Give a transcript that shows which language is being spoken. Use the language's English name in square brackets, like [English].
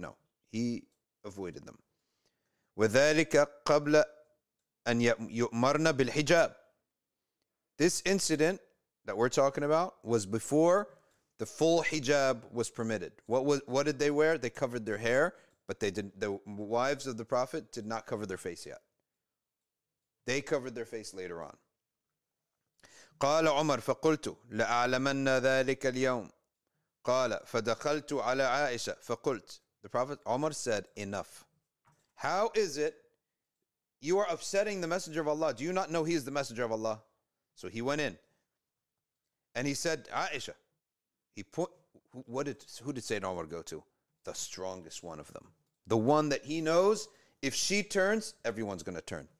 [English] No. He avoided them. [Arabic] وَذَلِكَ قَبْلَ أَنْ يُؤْمَرْنَا بِالْحِجَابِ. [English] This incident that we're talking about was before the full hijab was permitted. What did they wear? They covered their hair, but they didn't. The wives of the Prophet did not cover their face yet. They covered their face later on. [Arabic] قال عمر فقلت لأعلمن ذلك اليوم. قال فدخلت على عائشة فقلت. [English] The Prophet Umar said, enough. How is it you are upsetting the Messenger of Allah? Do you not know he is the Messenger of Allah? So he went in. And he said, Aisha. Who did Sayyidina Umar go to? The strongest one of them. The one that he knows, if she turns, everyone's going to turn.